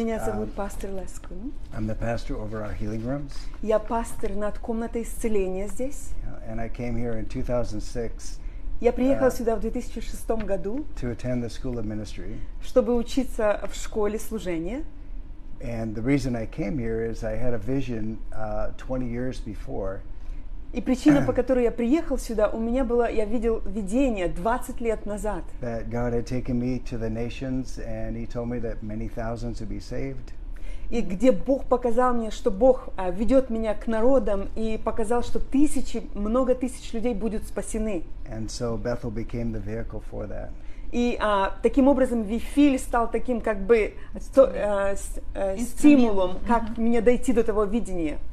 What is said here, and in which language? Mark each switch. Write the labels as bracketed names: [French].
[Russian] Меня зовут пастор Лес Кумс. [English] I'm the pastor over our healing rooms. [Russian] Я пастор над комнатой исцеления здесь. [English] And I came here in 2006. [Russian] Я приехал сюда в 2006 году, [English] to attend the school of ministry. [Russian] Чтобы учиться в школе служения. [English] And the reason I came here is I had a vision 20 years before. [Russian] И причина, по которой я приехал сюда, у меня было, я видел видение 20 лет назад. [English] That God had taken me to the nations, and He told me that many thousands would be saved. [Russian] И где Бог показал мне, что Бог ведет меня к народам и показал, что тысячи, много тысяч людей будут спасены. [English] And so Bethel became the vehicle for that. [Russian] И таким образом Вифиль стал таким как бы стимулом, как мне дойти до того видения.